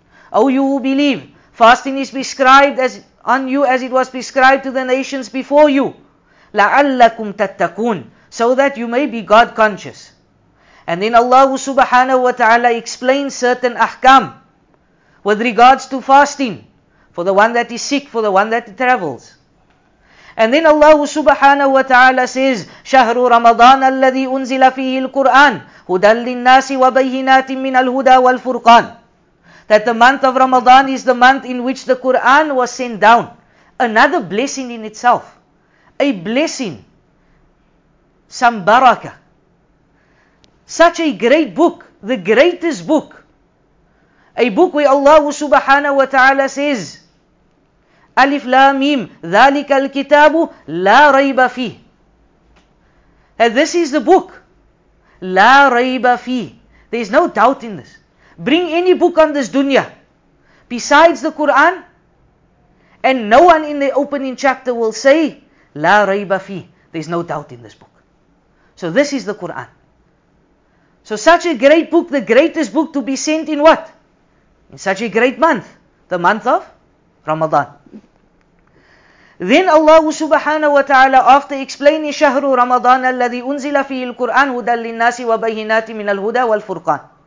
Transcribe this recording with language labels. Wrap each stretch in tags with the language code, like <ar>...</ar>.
<en>O you who believe, fasting is prescribed as on you as it was prescribed to the nations before you.</en> <ar>La'allakum tattaqun.</ar> <en>So that you may be God conscious. And then Allah subhanahu wa ta'ala explains certain ahkam with regards to fasting for the one that is sick, for the one that travels. And then Allah subhanahu wa ta'ala says,</en> <ar>شهر رمضان الذي أنزل فيه القرآن هدى للناس وبينات من الهدى والفرقان.</ar> <en>That the month of Ramadan is the month in which the Quran was sent down. Another blessing in itself. A blessing. Some barakah. Such a great book, the greatest book. A book where Allah subhanahu wa ta'ala says,</en> <ar>Alif Lam Mim, Dhalika al-Kitabu, La Rayba Fi.</ar> <en>And this is the book.</en> <ar>La Rayba Fi.</ar> <en>There is no doubt in this. Bring any book on this dunya besides the Quran, and no one in the opening chapter will say,</en> <ar>La Rayba Fi.</ar> <en>There is no doubt in this book. So this is the Quran. So such a great book, the greatest book to be sent in what? In such a great month, the month of Ramadan. Then Allah subhanahu wa ta'ala, after explaining</en> <ar>شهر رمضان الذي أنزل فيه القرآن هدى للناس وبينات من الهدى والفرقان.</ar>